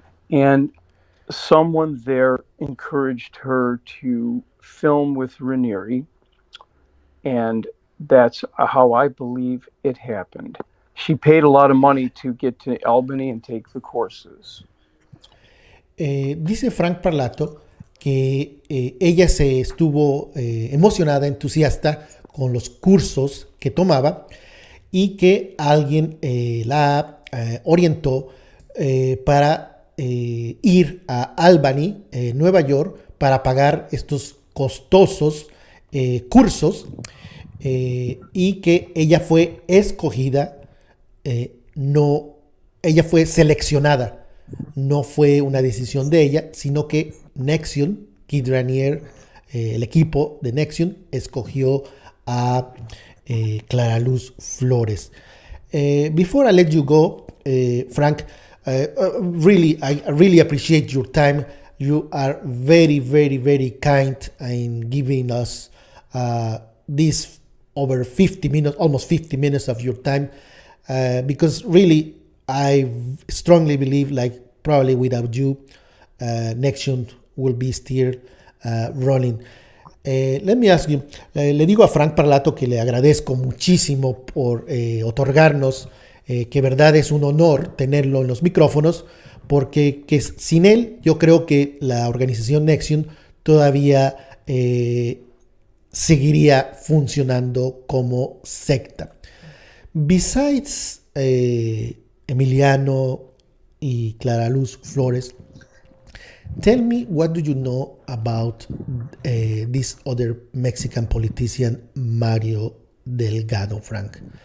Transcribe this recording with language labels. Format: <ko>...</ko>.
<en>And someone there encouraged her to film with Ranieri, and that's how I believe it happened. She paid a lot of money to get to Albany and take the courses.</en> <es>Dice Frank Parlato que ella se estuvo emocionada, entusiasta con los cursos que tomaba y que alguien la orientó para ir a Albany, Nueva York, para pagar estos costosos cursos y que ella fue escogida, no, ella fue seleccionada. No fue una decisión de ella, sino que Nexium, Keith Raniere, el equipo de Nexium, escogió a Clara Luz Flores.</es> <en>Before I let you go, Frank, I really appreciate your time. You are very, very, very kind in giving us this over 50 minutes, almost 50 minutes of your time, because really, I strongly believe like, probably without you, Nexium will be still running. Let me ask you,</en> <es>le digo a Frank Parlato que le agradezco muchísimo por otorgarnos, que verdad es un honor tenerlo en los micrófonos, porque que sin él yo creo que la organización Nexium todavía seguiría funcionando como secta.</es> <en>Besides Emiliano y Clara Luz Flores, tell me what do you know about this other Mexican politician, Mario Delgado, Frank?</en>